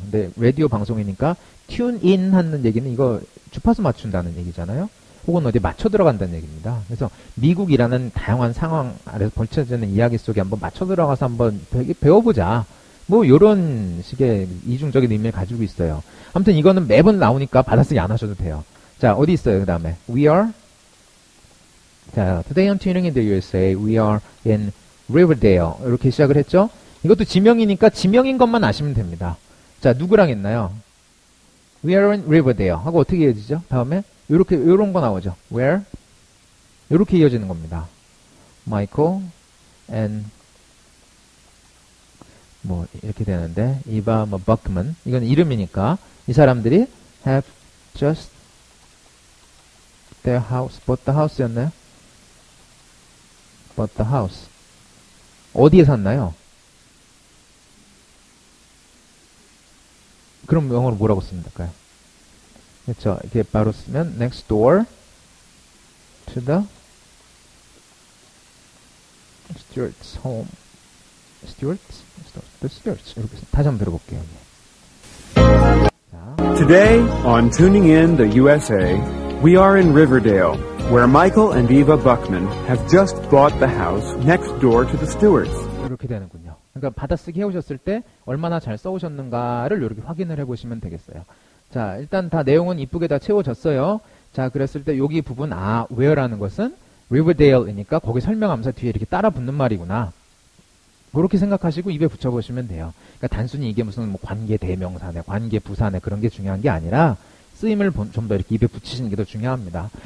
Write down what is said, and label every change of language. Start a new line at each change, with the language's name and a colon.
Korean: 근데 라디오 방송이니까 튠인 하는 얘기는 이거 주파수 맞춘다는 얘기잖아요. 혹은 어디 맞춰 들어간다는 얘기입니다. 그래서 미국이라는 다양한 상황 아래서 벌쳐지는 이야기 속에 한번 맞춰 들어가서 한번 배워보자. 뭐 이런 식의 이중적인 의미를 가지고 있어요. 아무튼 이거는 매번 나오니까 받아쓰기 안 하셔도 돼요. 자, 어디 있어요, 그 다음에.
English: We are, 자, today I'm tuning in the USA. We are in Riverdale.
Korean: 이렇게 시작을 했죠? 이것도 지명이니까 지명인 것만 아시면 됩니다. 자, 누구랑 했나요?
English: We are in Riverdale.
Korean: 하고 어떻게 이어지죠? 다음에, 이렇게, 이런 거 나오죠?
English: Where?
Korean: 이렇게 이어지는 겁니다. Michael and, 뭐, 이렇게 되는데, Eva Buckman. 이건 이름이니까, 이 사람들이
English: have just their house, bought the house
Korean: 였나요?
English: bought the house.
Korean: 어디에 샀나요? 그럼 영어로 뭐라고 쓰면 될까요?
English: 그쵸.
Korean: 이게 바로 쓰면,
English: next door to the Stewart's home. Stewart's? The Stewart's.
Korean: 이렇게 다시 한번 들어볼게요.
English: Today on Tuning In the USA, we are in Riverdale, where Michael and Eva Buckman have just bought the house next door to the Stewarts.
Korean: 이렇게 되는군요. 그러니까 받아쓰기 해오셨을 때 얼마나 잘 써오셨는가를 이렇게 확인을 해보시면 되겠어요. 자, 일단 다 내용은 이쁘게 다 채워졌어요. 자, 그랬을 때 여기 부분 아, where라는 것은 Riverdale이니까 거기 설명하면서 뒤에 이렇게 따라 붙는 말이구나. 그렇게 생각하시고 입에 붙여보시면 돼요. 그러니까 단순히 이게 무슨 뭐 관계 대명사네, 관계 부사네 그런 게 중요한 게 아니라 쓰임을 좀 더 이렇게 입에 붙이시는 게 더 중요합니다.